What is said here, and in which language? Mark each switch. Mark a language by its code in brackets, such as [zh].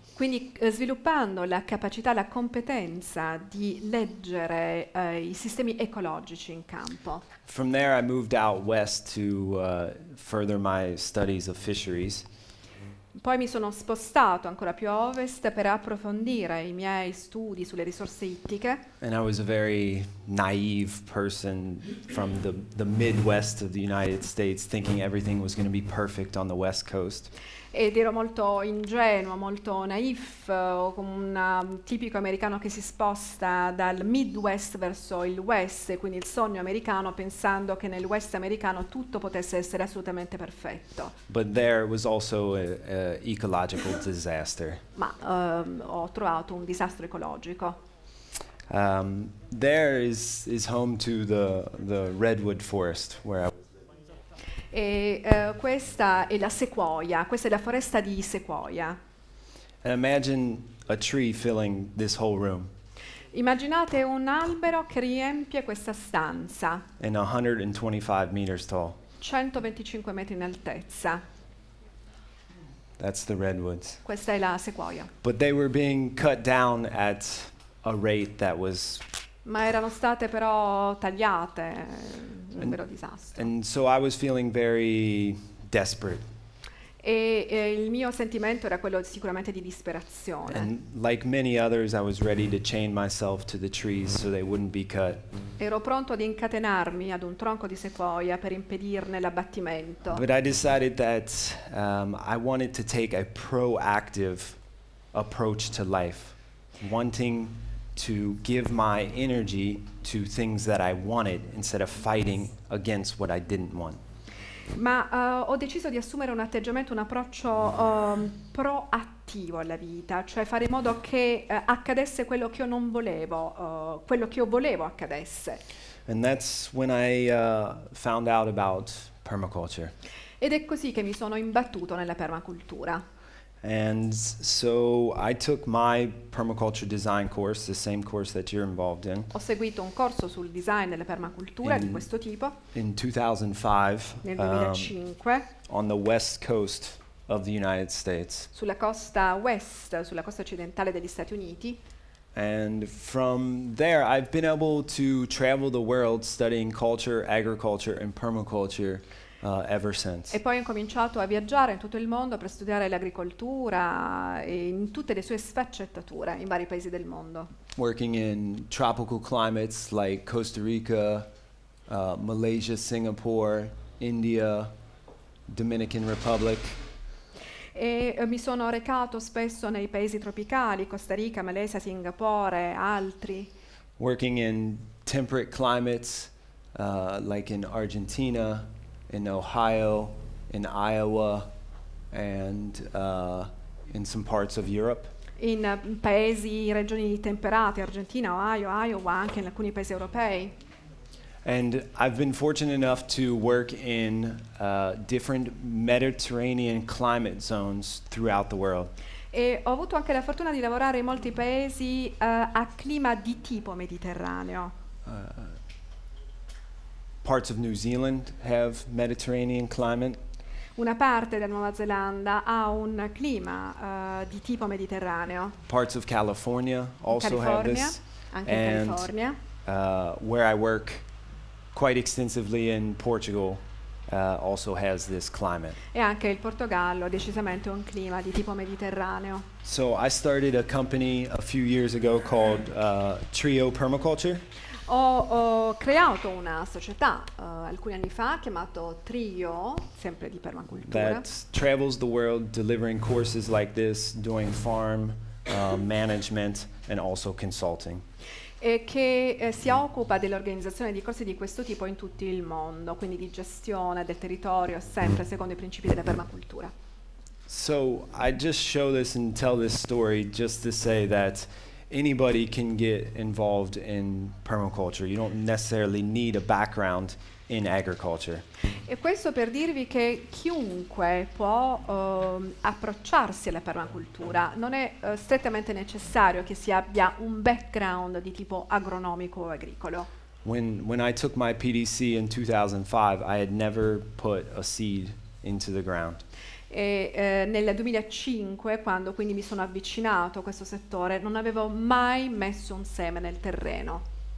[it] Quindi sviluppando la capacità, la competenza di leggere i sistemi ecologici in campo. [en] From there I moved out west to further my studies of fisheries. [it] Poi mi sono spostato ancora più a ovest per approfondire i miei studi sulle risorse ittiche. [en] And I was a very naive person from the Midwest of the United States, thinking everything was going to be perfect on the West Coast. [it] Ed ero molto ingenuo, molto naif, come un tipico americano che si sposta dal Midwest verso il West, quindi il sogno americano, pensando che nel West americano tutto potesse essere assolutamente perfetto. [en] But there was also an ecological disaster. [it] Ma ho trovato un disastro ecologico. [en] There is home to the redwood forest where I was. [it] E questa è la sequoia, questa è la foresta di sequoia. [en] And imagine a tree filling this whole room. [it] Immaginate un albero che riempie questa stanza. [en] And 125 meters tall. [it] 125 metri in altezza. [en] That's the redwoods. [it] Questa è la sequoia. [en] But they were being cut down at a rate that was. [it] Ma erano state però tagliate. Un vero disastro. [en] And so I was feeling very desperate. [it] E il mio sentimento era quello sicuramente di disperazione. [en] And like many others, I was ready to chain myself to the trees so they wouldn't be cut. [it] Ero pronto ad incatenarmi ad un tronco di sequoia per impedirne l'abbattimento. [en] But I decided that I wanted to take a proactive approach to life, wanting to give my energy to things that I wanted instead of fighting against what I didn't want. [it] Ma ho deciso di assumere un atteggiamento, un approccio proattivo alla vita, cioè fare in modo che accadesse quello che io non volevo, quello che io volevo accadesse. [en] And that's when I found out about permaculture. [it] Ed è così che mi sono imbattuto nella permacultura. [en] And so I took my permaculture design course, the same course that you're involved in. [it] Ho seguito un corso sul design della permacultura di questo tipo. [en] In 2005. [it] Nel 2005. [en] On the west coast of the United States. [it] Sulla costa west, sulla costa occidentale degli Stati Uniti. [en] And from there I've been able to travel the world studying culture, agriculture and permaculture. Ever since. [it] E poi ho cominciato a viaggiare in tutto il mondo per studiare l'agricoltura e in tutte le sue sfaccettature in vari paesi del mondo. [en] Working in tropical climates like Costa Rica, Malaysia, Singapore, India, Dominican Republic. [it] E mi sono recato spesso nei paesi tropicali, Costa Rica, Malesia, Singapore, altri. [en] Working in temperate climates like in Argentina, in Ohio, in Iowa, and in some parts of Europe. [it] In paesi, regioni temperate, Argentina, Ohio, Iowa, anche in alcuni paesi europei. [en] And I've been fortunate enough to work in different Mediterranean climate zones throughout the world. [it] E ho avuto anche la fortuna di lavorare in molti paesi a clima di tipo mediterraneo. [en] Parts of New Zealand have Mediterranean climate. [it] Una parte della Nuova Zelanda ha un clima di tipo mediterraneo. [en] Parts of California also [it] California, [en] have this. [it] Anche [en] and, [it] in California. [en] Where I work quite extensively in Portugal also has this climate. [it] E anche il Portogallo decisamente un clima di tipo mediterraneo. [en] So I started a company a few years ago called Trio Permaculture. [it] Ho creato una società alcuni anni fa chiamato Trio, sempre di permacultura. [en] That travels the world delivering courses like this, doing farm management and also consulting. [it] E che si occupa dell'organizzazione di corsi di questo tipo in tutto il mondo, quindi di gestione del territorio, sempre secondo i principi della permacultura. [en] So I just show this and tell this story just to say that anybody can get involved in permaculture. You don't necessarily need a background in agriculture. [it] E questo per dirvi che chiunque può approcciarsi alla permacultura, non è strettamente necessario che si abbia un background di tipo agronomico o agricolo. [en] When I took my PDC in 2005, I had never put a seed into the ground. [it] E nel 2005, quando quindi mi sono avvicinato a questo settore, non avevo mai messo un seme nel terreno.